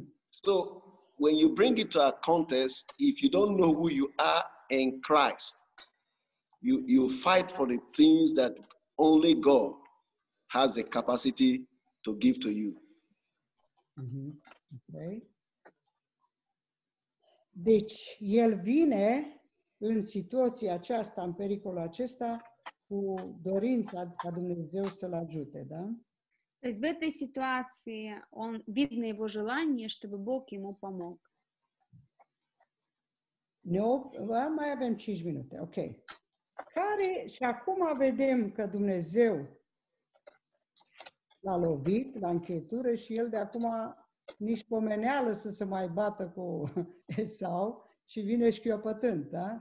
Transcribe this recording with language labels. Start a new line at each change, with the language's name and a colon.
English: So when you bring it to a contest, if you don't know who you are in Christ, you fight for the things that only God has the capacity to give to you. Mm-hmm. Okay.
Romanian: Deci, el vine în situația aceasta, în pericolul acesta, cu dorința ca Dumnezeu să-l ajute, da?
Russian: То есть в этой ситуации он видно его желание, чтобы Бог ему помог.
Romanian: Mai avem 5 minute. Ok. Care, și acum vedem că Dumnezeu l-a lovit la încheietură și el de acum nici pomeneală să se mai bată cu Esau și vine șchiopătând, da?